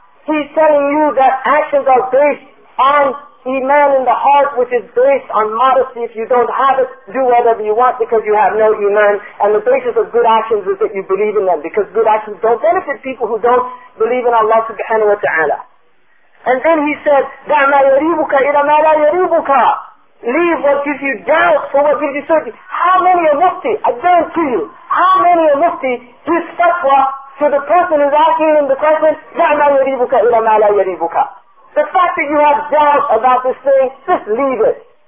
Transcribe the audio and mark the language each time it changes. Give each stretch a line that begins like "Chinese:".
English: He's telling you that actions are based on iman in the heart, which is based on modesty. If you don't have it, do whatever you want because you have no iman. And the basis of good actions is that you believe in them, because good actions don't benefit people who don't believe in Allah subhanahu wa ta'ala. And then he said,
Arabic: دَعْ مَا يَرِيبُكَ إِلَى مَا لَا يَرِيبُكَ.
English: Leave what gives you doubt for what gives you certainty. How many a mufti, I guarantee you, how many a mufti gives fatwa to the person who's asking him the question,
Arabic: دَعْ مَا يَرِيبُكَ إِلَى مَا لَا يَرِيبُكَ.
English: The fact that you have doubt about this thing, just leave it.